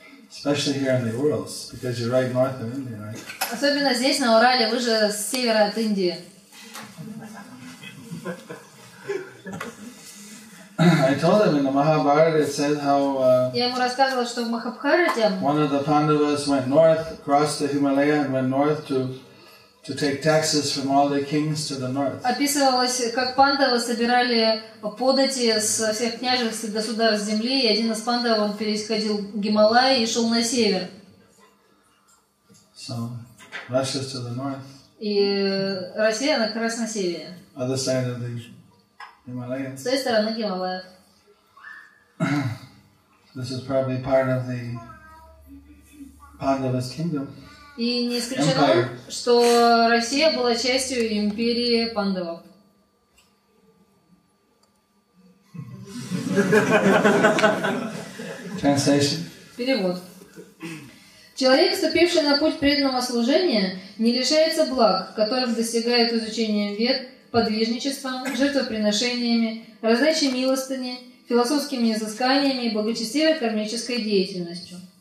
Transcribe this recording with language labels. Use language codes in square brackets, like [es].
[en] Especially here in the Urals, because you're right north of India, right? [ru] Особенно здесь на Урале, вы же с севера от Индии. [en] I told him in the Mahabharata it says how. [ru] Я ему рассказывала, что в Махабхарате. [en] One of the Pandavas went north, crossed the Himalaya, and went north to take taxes from all the kings to the north. [ru] Описывалось, как пандавы собирали подати со всех княжеств и государств земли, и один из пандавов он переходил Гималаи и шел на север. [en] So, Russia's to the north. [ru] И Россия, она как раз на севере. [en] Other side of the Himalayas. [ru] С той стороны Гималаев. [en] This is probably part of the Pandavas kingdom. [ru] И не исключено, Empire. Что Россия была частью империи пандавов. [en] Translation. [ru] Перевод. Человек, вступивший на путь преданного служения, не лишается благ, которых достигает изучением вед, подвижничеством, жертвоприношениями, раздачей милостыни, философскими изысканиями и благочестивой кармической деятельностью.